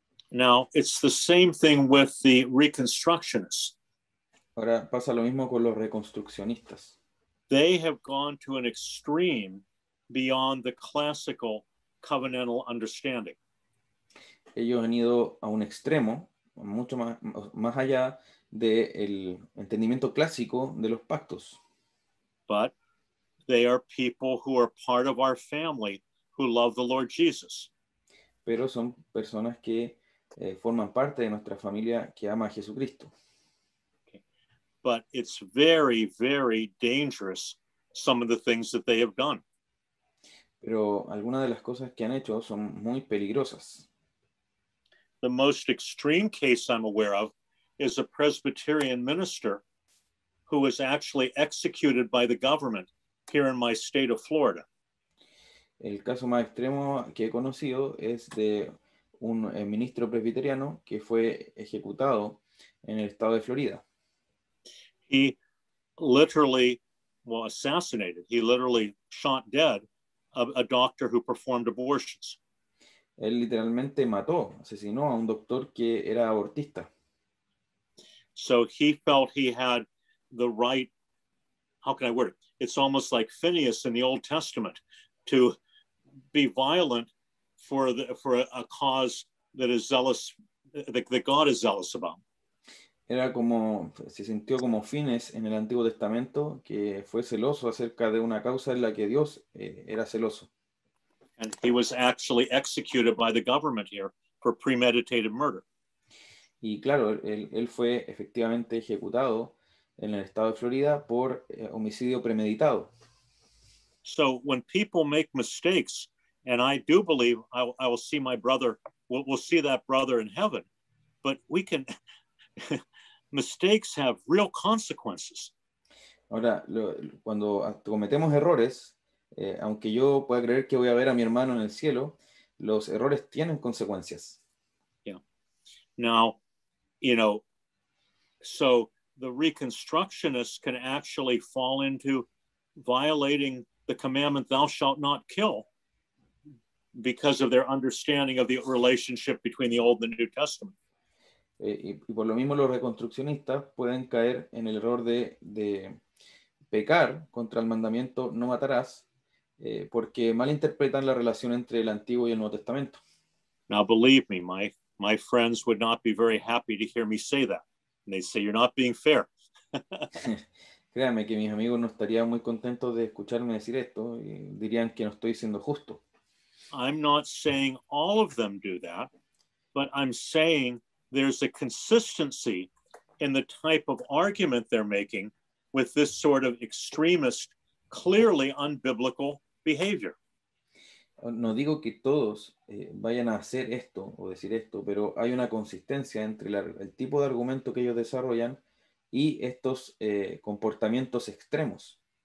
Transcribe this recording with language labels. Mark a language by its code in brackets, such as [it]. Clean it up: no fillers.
[en] Now, it's the same thing with the Reconstructionists. [es] Ahora, pasa lo mismo con los reconstruccionistas. [en] They have gone to an extreme beyond the classical covenantal understanding. [es] Ellos han ido a un extremo, mucho más allá del entendimiento clásico de los pactos. [en] But they are people who are part of our family who love the Lord Jesus. [es] Pero son personas que forman parte de nuestra familia que ama a Jesucristo. [en] Okay. But it's very, very dangerous, some of the things that they have done. [es] Pero algunas de las cosas que han hecho son muy peligrosas. [en] The most extreme case I'm aware of is a Presbyterian minister who was actually executed by the government here in my state of Florida. [es] El caso más extremo que he conocido es de un ministro presbiteriano que fue ejecutado en el estado de Florida. [en] He literally was assassinated. He literally shot dead a doctor who performed abortions. [es] Él literalmente mató, asesinó a un doctor que era abortista. [en] So he felt he had the right, how can I word it? It's almost like Phineas in the Old Testament to be violent for a cause that is zealous, that God is zealous about. [es] Era como, se sintió como Phineas en el Antiguo Testamento, que fue celoso acerca de una causa en la que Dios era celoso. [en] And he was actually executed by the government here for premeditated murder. [es] Y claro, él fue efectivamente ejecutado en el estado de Florida por homicidio premeditado. [en] So when people make mistakes, and I do believe I will see my brother, we'll see that brother in heaven, but we can, mistakes have real consequences. [es] Ahora, cuando cometemos errores, Aunque yo pueda creer que voy a ver a mi hermano en el cielo, los errores tienen consecuencias. Yeah. [en] Now, you know, so the reconstructionists can actually fall into violating the commandment thou shalt not kill because of their understanding of the relationship between the Old and the New Testament. [es] Y por lo mismo los reconstruccionistas pueden caer en el error de pecar contra el mandamiento no matarás porque malinterpretan la relación entre el Antiguo y el Nuevo Testamento. [en] Now believe me, my friends would not be very happy to hear me say that. And they say, you're not being fair. [es] Créanme que mis amigos no estarían muy contentos de escucharme decir esto y dirían que no estoy siendo justo. [en] I'm not saying all of them do that, but I'm saying there's a consistency in the type of argument they're making with this sort of extremist, clearly unbiblical behavior. [es] No digo que todos vayan a hacer esto o decir esto, pero hay una consistencia entre el tipo de argumento que ellos desarrollan y estos comportamientos extremos.